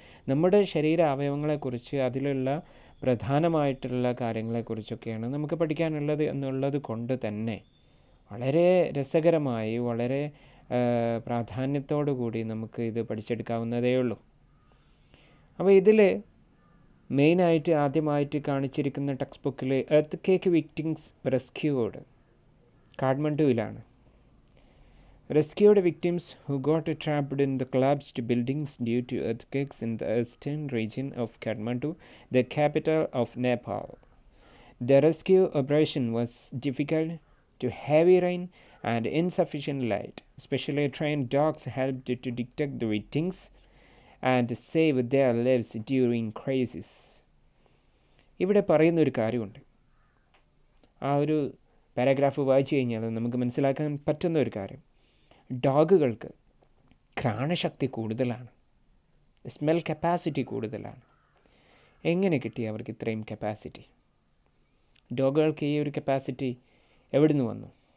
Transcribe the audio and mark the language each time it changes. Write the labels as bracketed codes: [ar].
[ml] നമ്മുടെ ശരീര അവയവങ്ങളെക്കുറിച്ച്, അതിലുള്ള പ്രധാനമായിട്ടുള്ള കാര്യങ്ങളെക്കുറിച്ചൊക്കെയാണ് നമുക്ക് പഠിക്കാനുള്ളത് എന്നുള്ളത് കൊണ്ട് തന്നെ വളരെ രസകരമായി, വളരെ പ്രാധാന്യത്തോടുകൂടി നമുക്ക് ഇത് പഠിച്ചെടുക്കാവുന്നതേയുള്ളൂ. അപ്പോൾ ഇതിൽ മെയിനായിട്ട് ആദ്യമായിട്ട് കാണിച്ചിരിക്കുന്ന ടെക്സ്റ്റ് ബുക്കിൽ earth cake victims rescued കാഠ്മണ്ഡുവിലാണ്. [en] Rescued victims who got trapped in the collapsed buildings due to earthquakes in the eastern region of Kathmandu, the capital of Nepal. The rescue operation was difficult due to heavy rain and insufficient light. Specially trained dogs helped to detect the victims and save their lives during crisis. [ml] ഇവിടെ പറയുന്ന ഒരു കാര്യമുണ്ട്. ആ ഒരു paragraph വായിച്ചു കഴിഞ്ഞാൽ നമുക്ക് മനസ്സിലാക്കാൻ പറ്റുന്ന ഒരു കാര്യം, ഡോഗുകൾക്ക് ഘ്രാണശക്തി കൂടുതലാണ്, സ്മെൽ കപ്പാസിറ്റി കൂടുതലാണ്. എങ്ങനെ കിട്ടി അവർക്ക് ഇത്രയും കപ്പാസിറ്റി? ഡോഗുകൾക്ക് ഈ ഒരു കപ്പാസിറ്റി എവിടുന്ന് വന്നു?